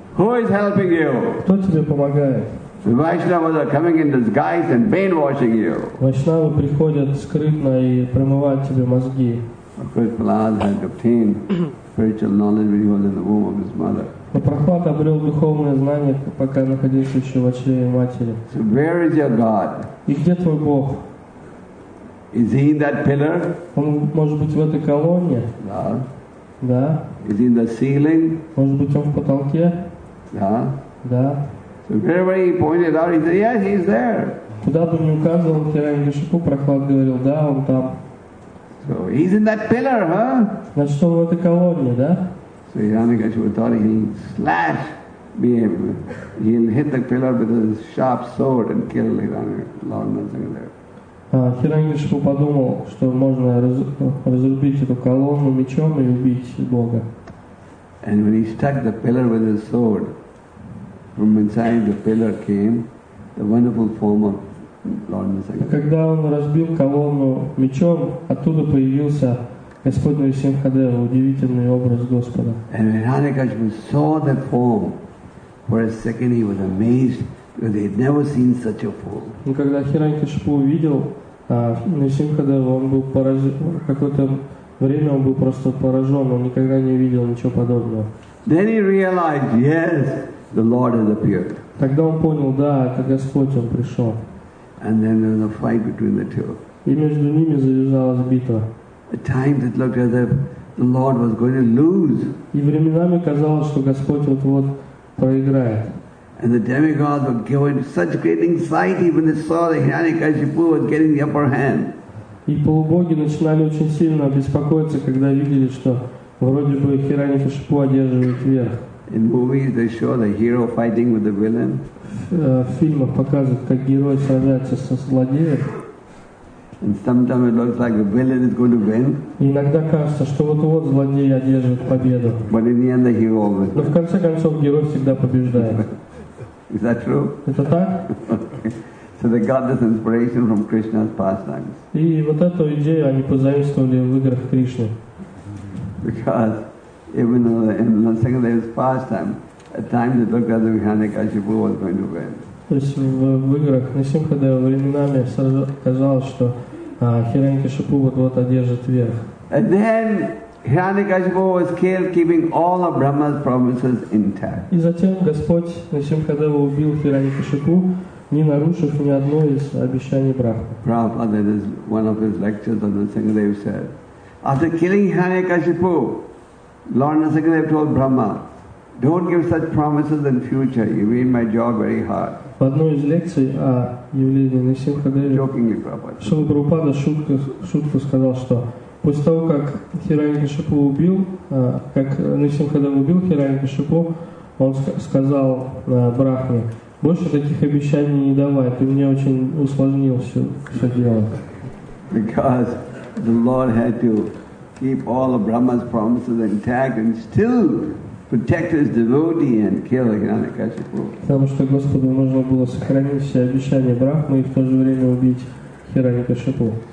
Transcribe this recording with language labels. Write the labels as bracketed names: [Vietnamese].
[English] Who is helping you? [Russian] Кто тебе помогает? [English] Vaishnavas are coming in disguise and brainwashing you. [Russian] Вайшнавы приходят скрытно и промывают тебе мозги. [English] Of course, Prahlad had obtained spiritual knowledge when he was in the womb of his mother. [Russian] Но Прохлад обрел духовное знание, пока находился еще в чреве матери. [English] So where is your God? [Russian] И где твой Бог? [English] Is he in that pillar? [Russian] Он может быть в этой колонне? Да. Да. [English] Is he in the ceiling? [Russian] Может быть он в потолке? Да. Да. [English] So wherever he pointed out, he said, "Yes, he's there." [Russian] Куда бы ни указывал Хиранягашипу, Прохлад говорил, да, он там. [English] So he's in that pillar, huh? [Russian] Значит, он в этой колонне, да? [English] So Hiranyakashipu thought he'll hit the pillar with his sharp sword and kill Lord Nrsingadeva. [Russian] Хиранягашипу подумал, что можно разрубить эту колонну мечом и убить Бога. [English] And when he struck the pillar with his sword, from inside the pillar came the wonderful form of Lord Nisargadatta. [Russian] Когда он разбил колонну мечом, оттуда появился Господь Нарсимхадева, удивительный образ Господа. [English] And when Radhakrishna saw that form, for a second he was amazed because he had never seen such a form. [Russian] Но когда Хиранякшипу увидел Нарсимхадева, он был поражен. Какое-то время он был просто поражен, он никогда не видел ничего подобного. [English] Then he realized, yes, the Lord has appeared. [Russian] Тогда он понял, да, это Господь, он пришел. [English] And then there was a fight between the two. [Russian] И между ними завязалась битва. [English] At times it looked as if the Lord was going to lose. [Russian] И временами казалось, что Господь вот-вот проиграет. [English] And the demigods were given such great anxiety when they saw that Hiranyakashipu was getting the upper hand. [Russian] И полубоги начинали очень сильно беспокоиться, когда видели, что вроде бы Хиранякашипу одерживает верх. [English] In movies they show the hero fighting with the villain. [Russian] В фильмах показывают, как герой сражается со злодеем. [English] And sometimes it looks like the villain is going to win. [Russian] Иногда кажется, что вот-вот злодей одержит победу. [English] But in the end, the hero wins. [Russian] Но в конце концов герой всегда побеждает. [English] Is that true? [Russian] Это так? [English] So they got this inspiration from Krishna's pastimes. [Russian] И вот эту идею они позаимствовали в играх Кришны. [English] Because even though in the second day was pastime, at times it looked as if Hiranyakashipu was going to win. [Russian] То есть в играх Нарсимхадева временами казалось, что Хиранякашипу вот-вот одержит верх. [English] And then Hiranyakashipu was killed, keeping all of Brahma's promises intact. [Russian] И затем Господь Нарсимхадева убил Хиранякашипу, не нарушив ни одно из обещаний Брахмы. [English] Prabhupada, that is one of his lectures on Nrsimhadeva, said, after killing Hiranyakashipu, Lord Nrsimhadeva told Brahma, don't give such promises in future. You made my job very hard. [Russian] В одной из лекций о явлении Нарсимхадеве, [English] jokingly, Prabhupada, [Russian] Шрила Прабхупада шутку сказал, что после того, как Хиранякашипу убил, как Нарсимхадева убил Хиранякашипу, он сказал Брахме, больше таких обещаний не давай, ты мне очень усложнил все дело. [English] Because the Lord had to keep all of Brahma's promises intact and still protect his devotee and kill Hiranyakashipu. [Russian] Потому что Господу нужно было сохранить все обещания Брахмы и в то же время убить Хиранякашипу.